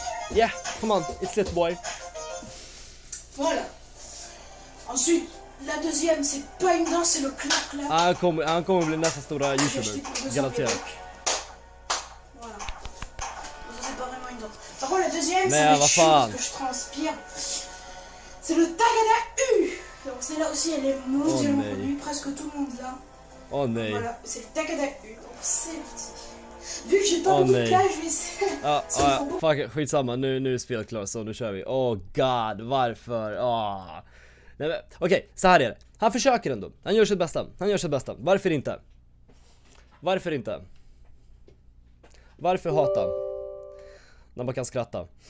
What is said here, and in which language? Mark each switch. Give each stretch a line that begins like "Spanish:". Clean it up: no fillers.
English: Yeah, come on, it's little boy.
French: Voilà. Ensuite, la deuxième, c'est pas une danse, c'est le clac-clac.
Swedish: Han kommer bli nästa stora YouTuber, garanterat.
French: Voilà. Ça, c'est pas vraiment une danse. Par contre, la deuxième, c'est le chou, parce que je transpire. C'est le Tagada U. Donc celle-là aussi, elle est mondialement connue, presque tout le monde là. Oh non. Voilà, c'est le Tagada U. Donc c'est... Vu que j'ai pas beaucoup de plage, je vais essayer...
English: Fuck it,
Swedish: skitsamma, nu är spelet klart, så nu kör vi.
English: Oh god,
Swedish: varför? Nej, okej, så här är det. Han försöker ändå. Han gör sitt bästa. Varför inte? Varför hata? När man kan skratta.